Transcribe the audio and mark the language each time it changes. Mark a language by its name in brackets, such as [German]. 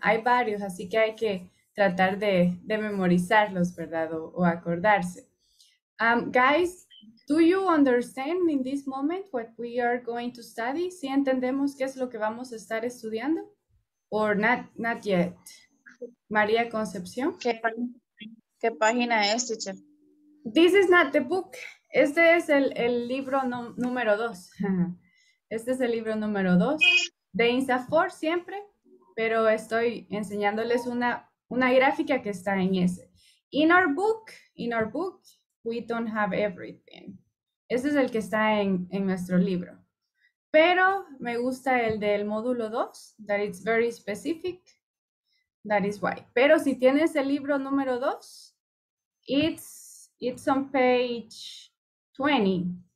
[Spanish] Hay varios, así que hay que tratar de memorizarlos, ¿verdad? O acordarse. [English] Guys, do you understand in this moment what we are going to study? [Spanish] ¿Sí entendemos qué es lo que vamos a estar estudiando? [English] Or not yet. María Concepción. [Spanish] ¿Qué página es, teacher? [English] This is not the book. [Spanish] Este es el libro número dos. Este es el libro número dos. De INSAFORP siempre, pero estoy enseñándoles una gráfica que está en ese. [English] In our book, we don't have everything. [Spanish] Ese es el que está en nuestro libro. Pero me gusta el del módulo 2, [English] that it's very specific, that is why. [Spanish] Pero si tienes el libro número 2, [English] it's on page 20.